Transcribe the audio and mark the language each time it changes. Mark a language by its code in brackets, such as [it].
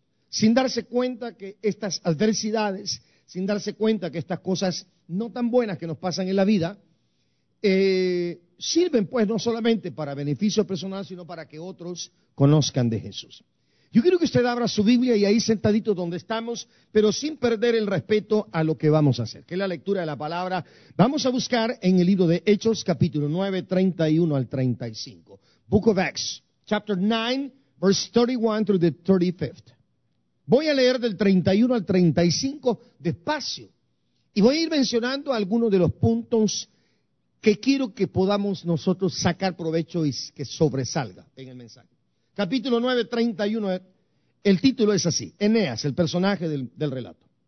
[es] Sin darse cuenta que estas adversidades, sin darse cuenta que estas cosas no tan buenas que nos pasan en la vida, sirven pues no solamente para beneficio personal, sino para que otros conozcan de Jesús. Yo quiero que usted abra su Biblia y ahí sentadito donde estamos, pero sin perder el respeto a lo que vamos a hacer, que es la lectura de la palabra. Vamos a buscar en el libro de Hechos, capítulo 9, 31 al 35. [en] Book of Acts, chapter 9, verse 31 through the 35th. [es] Voy a leer del 31 al 35 despacio y voy a ir mencionando algunos de los puntos que quiero que podamos nosotros sacar provecho y que sobresalga en el mensaje. Capítulo 9, 31, el título es así, Eneas, el personaje del relato.